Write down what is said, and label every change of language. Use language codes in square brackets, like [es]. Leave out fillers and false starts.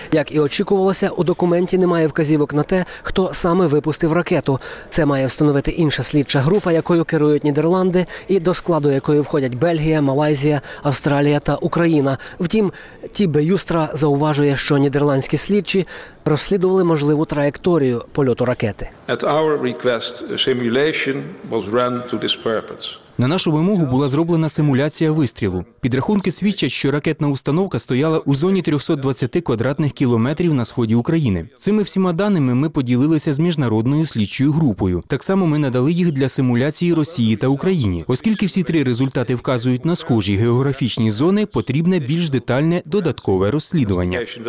[uk] Як і очікувалося, у документі немає вказівок на те, хто саме випустив ракету. Це має встановити інша слідча група, якою керують Нідерланди і до складу якої входять Бельгія, Малайзія, Австралія та Україна. Втім, Тібе Юстра зауважує, що нідерландські слідчі розслідували можливу траєкторію польоту ракети. [en] At our request, a simulation was run to this purpose. [uk] На нашу вимогу була зроблена симуляція вистрілу. Підрахунки свідчать, що ракетна установка стояла у зоні 320 квадратних кілометрів на сході України. Цими всіма даними ми поділилися з міжнародною слідчою групою. Так само ми надали їх для симуляції Росії та Україні. Оскільки всі три результати вказують на схожі географічні зони, потрібне більш детальне додаткове розслідування.